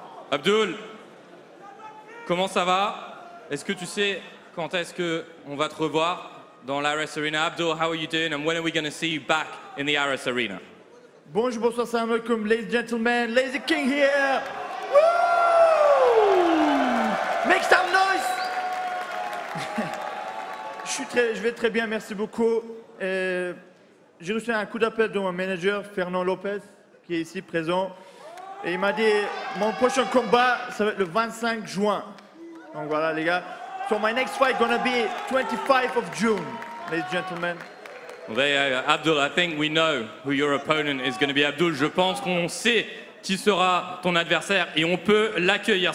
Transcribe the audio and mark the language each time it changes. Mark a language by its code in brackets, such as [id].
[fr] Abdoul, comment ça va? Est-ce que tu sais quand est-ce que on va te revoir dans l'Ares Arena? [en] Abdoul, how are you doing? And when are we going to see you back in the Ares Arena? [fr] Bonjour, bonsoir, [ar] salam alaikum, [en] ladies and gentlemen, Lazy King here! Woo! Make some noise! [fr] je vais très bien, merci beaucoup. J'ai reçu un coup d'appel de mon manager, Fernand Lopez, qui est ici présent. Et il m'a dit, mon prochain combat, ça va être le 25 juin. Donc voilà, les gars. [en] So my next fight gonna be 25th of June, ladies and gentlemen. Well, there you go. Abdoul, I think we know who your opponent is gonna be. [fr] Abdoul, je pense qu'on sait qui sera ton adversaire et on peut l'accueillir.